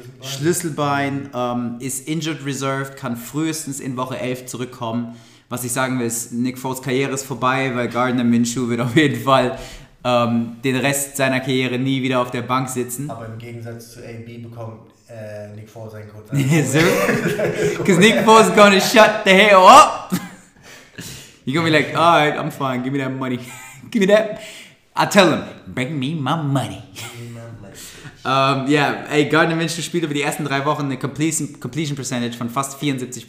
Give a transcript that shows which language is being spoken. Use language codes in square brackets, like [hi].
[de] Schlüsselbein ist injured reserved, kann frühestens in Woche 11 zurückkommen. Was ich sagen will, ist, Nick Foles Karriere ist vorbei, weil Gardner Minshew wird auf jeden Fall den Rest seiner Karriere nie wieder auf der Bank sitzen. Aber im Gegensatz zu AB bekommt Nick Foles einen Kurzarm. [en] Because Nick Foles is going to shut the hell up. You're going to be like, alright, I'm fine, give me that money. Give me that. I tell him, bring me my money. [de] Gardner Minshew spielt über die ersten drei Wochen eine Completion Percentage von fast 74%.